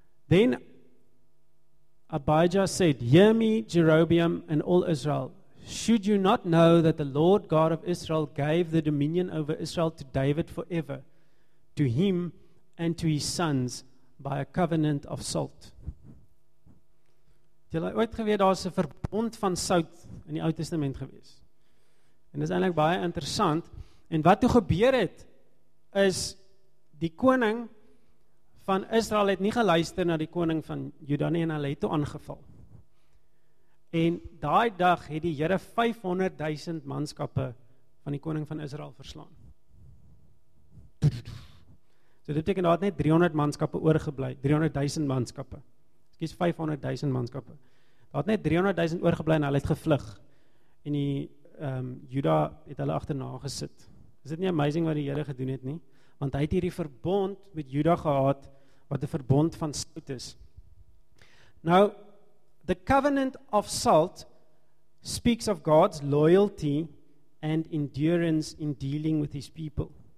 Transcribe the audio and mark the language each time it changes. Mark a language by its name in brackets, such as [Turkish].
[English] Then Abijah said, Hear me, Jerobeam and all Israel. Should you not know that the Lord God of Israel gave the dominion over Israel to David forever, to him and to his sons, by a covenant of salt? [Afrikaans] Het julle ooit geweet, daar is 'n verbond van sout in die Ou Testament gewees. En dit is eintlik baie interessant. En wat toe gebeur het, is die koning van Israel het nie geluister na die koning van Juda nie, en hulle het toe aangeval. En daai dag het die Here 500.000 manskappe van die koning van Israel verslaan. So dit beteken daar het net 300 manskappe oorgebly, 300.000 manskappe. Skus, 500.000 manskappe. Daar het net 300.000 oorgebly en hulle het gevlug. En die Juda het hulle agterna gesit. Is dit nie amazing wat die Here gedoen het nie? Want hy het hierdie verbond met Juda gehad wat 'n verbond van sout is. Nou, [English] the covenant of salt speaks of God's loyalty and endurance in dealing with his people.